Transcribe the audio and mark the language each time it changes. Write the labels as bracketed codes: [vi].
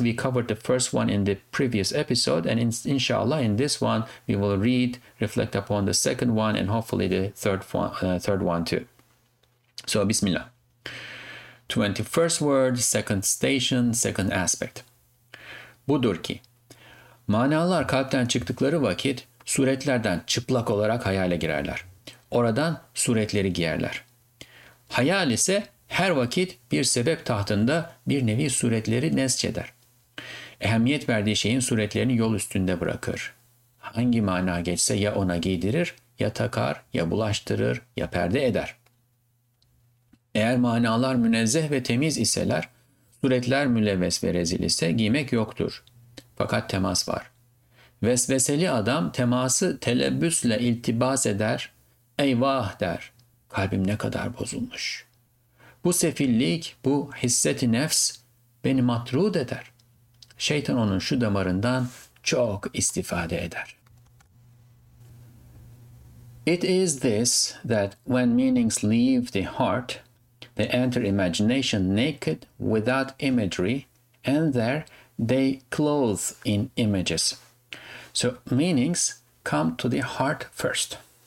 [en] We covered the first one in the previous episode, and inshallah in this one we will read, reflect upon the second one, and hopefully the third one too. So bismillah. 21st word, second station, second aspect. [tr] Budur ki, manalar kalpten çıktıkları vakit suretlerden çıplak olarak hayale girerler. Oradan suretleri giyerler. Hayal ise her vakit bir sebep tahtında bir nevi suretleri nesceder. Ehemmiyet verdiği şeyin suretlerini yol üstünde bırakır. Hangi mana geçse ya ona giydirir, ya takar, ya bulaştırır, ya perde eder. Eğer manalar münezzeh ve temiz iseler, suretler mülevves ve rezil ise giymek yoktur. Fakat temas var. Vesveseli adam teması telebbüsle iltibas eder, eyvah der, kalbim ne kadar bozulmuş. Bu sefillik, bu hisset-i nefs beni matrud eder. Şeytan onun şu damarından çok istifade eder. [en] It is this that when meanings leave the heart, they enter imagination naked without imagery, and there they clothe in images. So meanings come to the heart first.